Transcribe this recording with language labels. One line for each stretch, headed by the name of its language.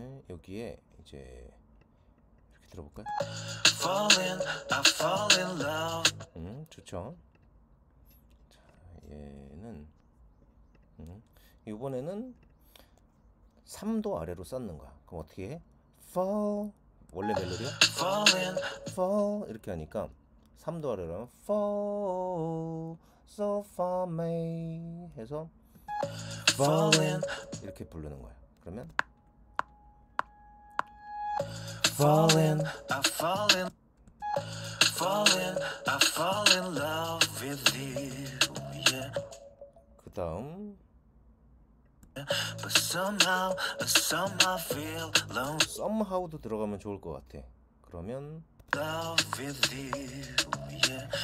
Korean: 여기에 이제 이렇게 들어볼까요?
English: Falling, I fall in love.
Korean: 좋죠? 자, 얘는 이번에는 3도 아래로 쌓는 거야. 그럼 어떻게 해? Fall 원래 멜로디야?
English: Fall in Fall
Korean: 이렇게 하니까 3도 아래로 Fall So far may 해서 Fall in 이렇게 부르는 거야. 그러면
English: Fall in I fall in Fall in I fall in love with you yeah.
Korean: 그 다음
English: But somehow, somehow feel long.
Korean: Somehow도 들어가면 좋을 것 같아. 그러면
English: love with you, yeah.